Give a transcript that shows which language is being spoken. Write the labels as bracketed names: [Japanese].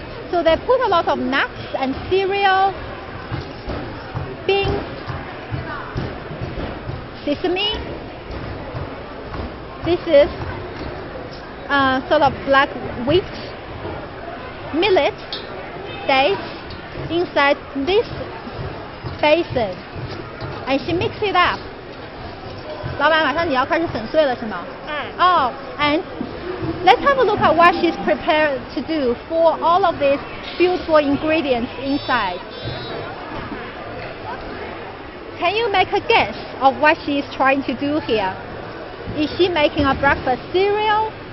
[English] So they put a lot of nuts and cereal, beans, sesame. This is sort of black wheat, millet, dates inside this basin, and she mixes it up. [Chinese] 老板，马上你要开始粉碎了，是吗？嗯。 [English] Oh, and let's have a look at what she's prepared to do for all of these beautiful ingredients inside. Can you make a guess of what she's trying to do here? Is she making a breakfast cereal?